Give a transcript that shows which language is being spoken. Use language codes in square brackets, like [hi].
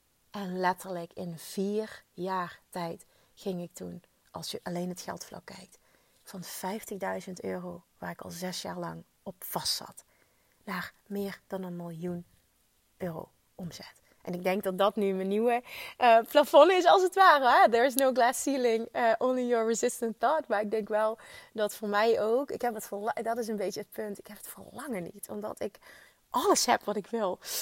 [nl] En letterlijk in 4 jaar tijd ging ik toen, als je alleen het geldvlak kijkt, van 50.000 euro, waar ik al 6 jaar lang op vast zat, naar meer dan 1 miljoen euro omzet. En ik denk dat dat nu mijn nieuwe plafond is, als het ware. Hè? [en] There is no glass ceiling, only your resistant thought. [nl] Maar ik denk wel dat voor mij ook, ik heb het dat is een beetje het punt, ik heb het verlangen niet. Omdat ik alles heb wat ik wil.